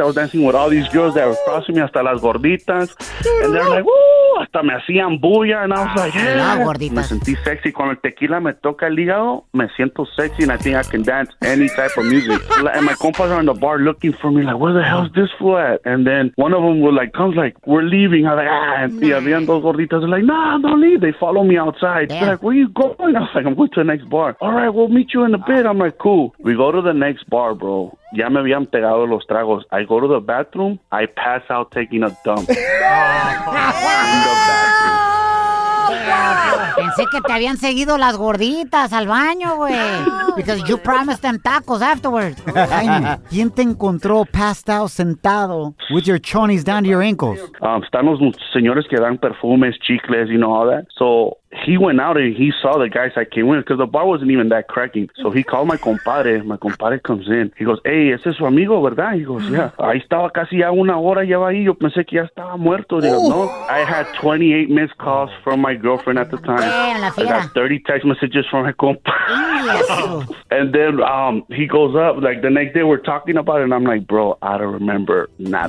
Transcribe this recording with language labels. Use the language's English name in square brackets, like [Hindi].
[English] I was dancing with all these girls that were crossing me, [Spanish] hasta las gorditas. [English] And they're like, woo, [Spanish] hasta me hacían bulla. [English] And I was like, yeah. [Spanish] Me sentí sexy. Cuando el tequila me toca el hígado, me siento sexy. [English] And I think I can dance any type of music. And my compas are in the bar looking for me, like, where the hell is this fool at? And then one of them was like, comes like, we're leaving. I was like, ah. And [Spanish] habían dos gorditas. [English] They're like, nah, don't leave. They follow me outside. Damn. They're like, where are you going? I was like, I'm going to the next bar. All right, well, we'll meet you in a bit. I'm like, cool. We go to the next bar, bro. [Spanish] Ya me habían pegado los tragos. [English] I go to the bathroom. I pass out taking a dump. [Spanish] Pensé que te habían seguido las gorditas al baño, güey. [English] Because you promised them tacos afterwards. Jaime, [Spanish] ¿quién te encontró [English] passed out [Spanish] sentado [English] with your chonies down to your ankles? [Spanish] Están los señores que dan perfumes, chicles, [English] you know, all that. So he went out and he saw the guys that came in because the bar wasn't even that cracking. So he called my compadre. My compadre comes in. He goes, hey, [Spanish] ese es su amigo, ¿verdad? [English] He goes, yeah. [Spanish] Ahí estaba casi ya una hora, ya va ahí. Yo pensé que ya estaba muerto. Digo, no. [English] I had 28 missed calls from my girlfriend at the time. Damn, I got 30 text messages from her compadre. And then he goes up. Like, the next day we're talking about it and I'm like, bro, I don't remember nada.